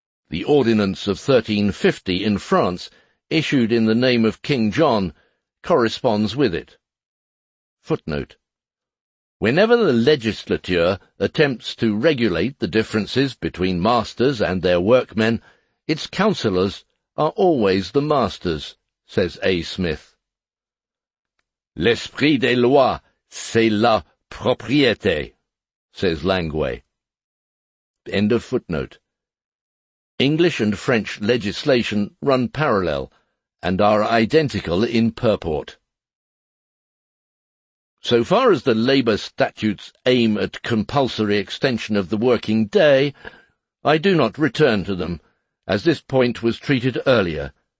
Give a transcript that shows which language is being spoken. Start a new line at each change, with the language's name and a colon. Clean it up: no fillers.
English: The Ordinance of 1350 in France, issued in the name of King John, corresponds with it. Footnote. Whenever the legislature attempts to regulate the differences between masters and their workmen, its counsellors are always the masters, says A. Smith.
French: L'esprit des lois, c'est la propriété,
English: says Langway. End of footnote. English and French legislation run parallel and are identical in purport. So far as the labour statutes aim at compulsory extension of the working day, I do not return to them, as this point was treated earlier.